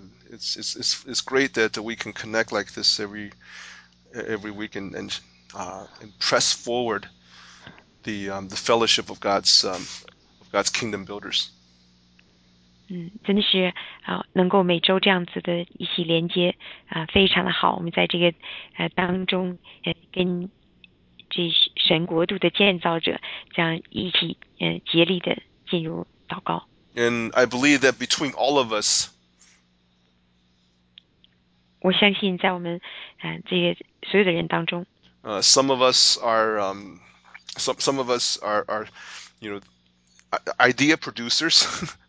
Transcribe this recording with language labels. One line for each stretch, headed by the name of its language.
English: It's great that we can connect like this every week and press forward the fellowship of God's kingdom builders.
Chinese: 真的是能够每周这样子的一起连接非常的好。我们在这个当中跟这神国度的建造者这样一起竭力的进入祷告。
English: And I believe that between all of us, some of us are, you know, idea producers.